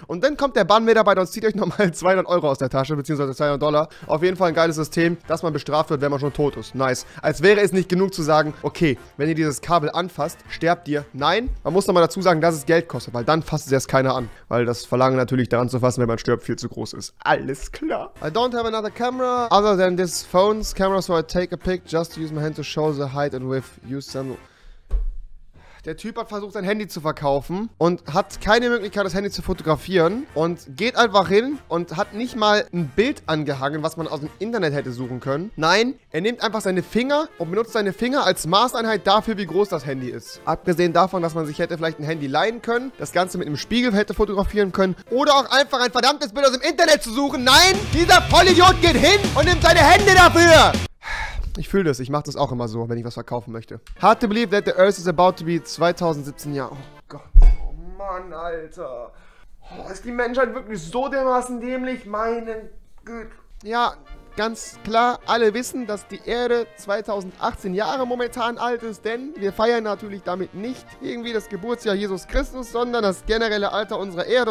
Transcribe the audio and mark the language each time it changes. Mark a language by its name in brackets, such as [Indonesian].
[German] Und dann kommt der Bahnmitarbeiter und zieht euch nochmal 200 Euro aus der Tasche, beziehungsweise 200 Dollar. Auf jeden Fall ein geiles System, dass man bestraft wird, wenn man schon tot ist. Nice. Als wäre es nicht genug zu sagen, okay, wenn ihr dieses Kabel anfasst, sterbt ihr. Nein, man muss nochmal dazu sagen, dass es Geld kostet, weil dann fasst es erst keiner an. Weil das Verlangen natürlich daran zu fassen, wenn man stirbt, viel zu groß ist. Alles klar. [English] I don't have another camera other than this phone's camera, so I take a pic just to use my hand to show the height and width. Use some... [German] Der Typ hat versucht, sein Handy zu verkaufen und hat keine Möglichkeit, das Handy zu fotografieren und geht einfach hin und hat nicht mal ein Bild angehangen, was man aus dem Internet hätte suchen können. Nein, er nimmt einfach seine Finger und benutzt seine Finger als Maßeinheit dafür, wie groß das Handy ist. Abgesehen davon, dass man sich hätte vielleicht ein Handy leihen können, das Ganze mit einem Spiegel hätte fotografieren können oder auch einfach ein verdammtes Bild aus dem Internet zu suchen. Nein, dieser Vollidiot geht hin und nimmt seine Hände dafür. Ich fühle das, ich mache das auch immer so, wenn ich was verkaufen möchte. [English] Hard to believe that the Earth is about to be 2017, ja. [German] Oh Gott, oh Mann, Alter. Oh, ist die Menschheit wirklich so dermaßen dämlich? Meine Güte. Ja, ganz klar, alle wissen, dass die Erde 2018 Jahre momentan alt ist, denn wir feiern natürlich damit nicht irgendwie das Geburtsjahr Jesus Christus, sondern das generelle Alter unserer Erde.